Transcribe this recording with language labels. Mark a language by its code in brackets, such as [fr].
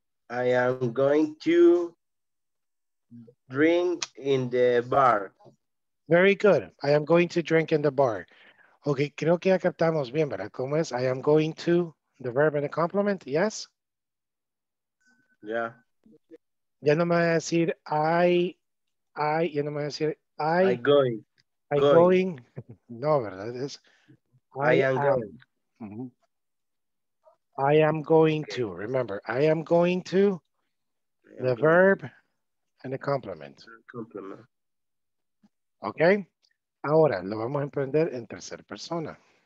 [en] I am going to drink in the bar. Very good. I am going to drink in the bar. [es] Okay, creo que ya captamos bien, ¿verdad? ¿Cómo es? [en] I am going to, the verb and the complement, yes? Yeah. [es] Ya no me voy a decir I, ya no me voy a decir [en] I'm going. I'm going. [es] No, ¿verdad? Es, [en] I am going. Mm-hmm. I am going to, remember, I am going to, the verb and the complement. Complement. Okay. [es] Ahora lo vamos a emprender en tercera persona.